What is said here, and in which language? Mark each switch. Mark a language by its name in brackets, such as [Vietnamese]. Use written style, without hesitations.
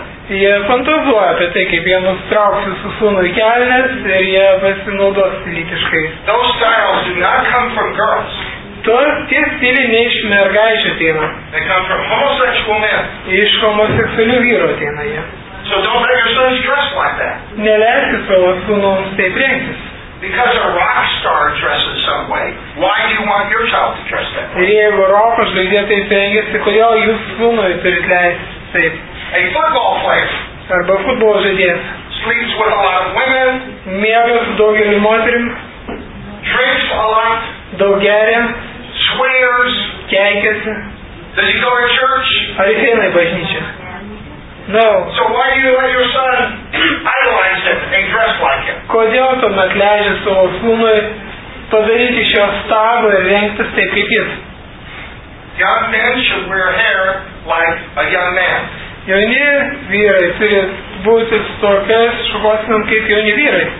[Lithuanian] Jie fantazuoja apie tai, kaip jie nustrauks visų sūnų į kelnes ir jie pasinaudos lytiškai. [English] Those styles do not come from girls. [Lithuanian] Tie stiliai ne iš mergaičių ateina. [English] They come from homosexual men. [Lithuanian] Iš homoseksualių vyrų ateina jie. [English] So don't let your sons dress like that. [Lithuanian] Neleisi savo sūnums taip rengtis. [English] Because a rock star dresses some way, why do you want your child to dress that way? [Lithuanian] Jeigu roko žvaigždė taip rengiasi, kodėl jūs sūnui turit leisti taip? [English] A football player. [Lithuanian] Arba futbolo žaidėjas. [English] Sleeps with a lot of women. [Lithuanian] Miega su daugeliu moterim. [English] Drinks a lot. [Lithuanian] Daug geria. [English] Swears. [Lithuanian] Keikiasi. [English] Does he go to church? [Lithuanian] Ar jis eina į bažnyčią? [English] No. So why do you let your son idolize him and dress like him? [Lithuanian] Kodėl tuomet leidžia savo sūnui padaryti šio stabą ir rengtis taip kaip jis? [English] Young men should wear hair like a young man. [Lithuanian] Jauni vyrai turi būti tokias šukosinam kaip jauni vyrai.